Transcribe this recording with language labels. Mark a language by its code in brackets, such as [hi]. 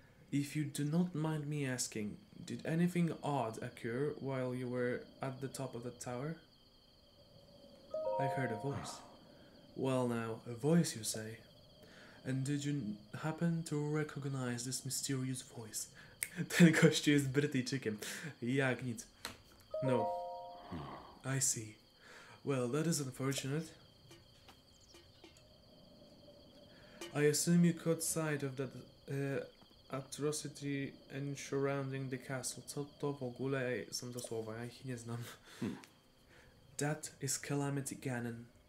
[en] If you do not mind me asking, did anything odd occur while you were at the top of the tower? I heard a voice. Well now, a voice you say? And did you happen to recognize this mysterious voice? [pl] Ten gościu jest Brytyjczykiem. Jak nic. No. [en] I see. Well, that is unfortunate. I assume you caught sight of that atrocity and surrounding the castle. [pl] Co to w ogóle są to słowa? Ja ich nie znam. [en] That is Calamity Ganon.